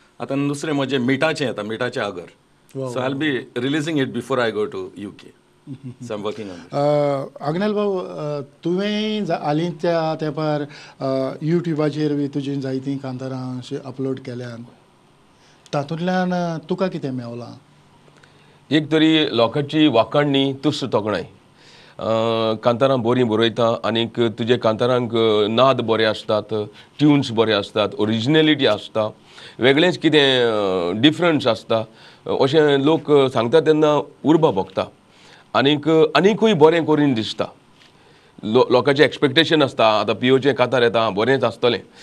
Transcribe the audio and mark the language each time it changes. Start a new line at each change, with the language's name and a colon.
Goan Konkani: आतां दुसरें म्हजें मिठाचें येता, मिठाचें Agar.
English: So I be releasing it before I go to U K.
Goan Konkani: Agnel भाऊ, तुवें हालीं त्या तेंपार युट्यूबाचेर बी तुजी जायतीं कांतारां अशीं अपलोड केल्यान, तातूंतल्यान तुका कितें मेवलां? एक तरी लोकांची वाखाणणी तुस्त तोखणाय. कांतारां बरीं बरयता आनीक तुजे कांतारांक नाद बरें आसतात, ट्युन्स बरें आसतात, ओरिजिनेलिटी आसता, वेगळेंच कितें डिफरंस आसता अशें लोक सांगता तेन्ना उर्बा भोगता. आनीकूय बरें करीन दिसता. लोकांचें एक्सपेक्टेशन आसता आतां पियोचें कांतार येता बरेंच आसतलें.